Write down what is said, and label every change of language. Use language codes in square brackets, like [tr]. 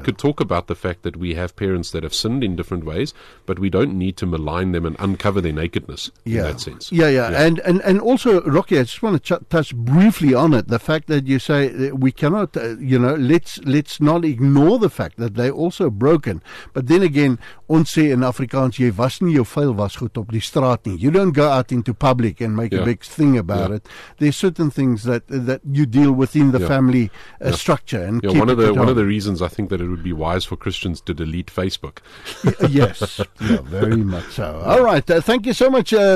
[en] we could talk about the fact that we have parents that have sinned in different ways, but we don't need to malign them and uncover their nakedness yeah. in that sense. Yeah, yeah, yeah. And also, Rocky, I just want to touch briefly on it, the fact that you say we cannot, you know, let's not ignore the fact that they're also broken. But then again, [af] ons sê in Afrikaans, jy was nie jou vuil was goed op die straat nie. [en] You don't go out into public and make yeah. a big thing about yeah. it. There's certain things that you deal within the yeah. family yeah. structure. And yeah, one of the reasons I think that it would be wise for Christians to delete Facebook. yes, yeah, very much so. Yeah. All right, thank you so much.